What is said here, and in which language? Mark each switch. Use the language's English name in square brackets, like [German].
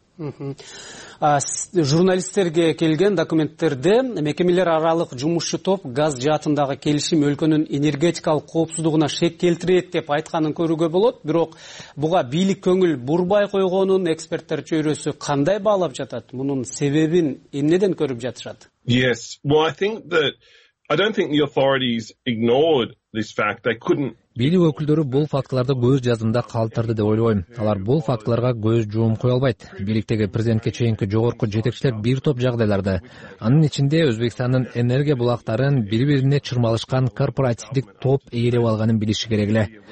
[Kyrgyz] Журналисттерге келген документтерде мекемелер аралык жумушчу топ газ жаатындагы келишим өлкөнүн энергетикалык коопсуздугуна шек келтирет деп айтканын көрүүгө болот, бирок буга бийлик көңүл бурбай койгонун эксперттер чөйрөсү кандай баалап жатат? Мунун себебин эмнеден көрүп жатышат? [English] Yes. Well, I don't think the authorities ignored this fact. They couldn't. [Kyrgyz] Бийлик өкүлдөрү бул фактыларды көз жазында калтырды деп ойлобойм. Алар бул фактыларга көз жумуп кое албайт. Бийликтеги президентке чейинки жогорку жетекчилер бир топ жагдайларды, анын ичинде Өзбекстандын энергия булактарын бири-бирине чырмалышкан корпоративдик топ ээлеп алганын билиши керек эле.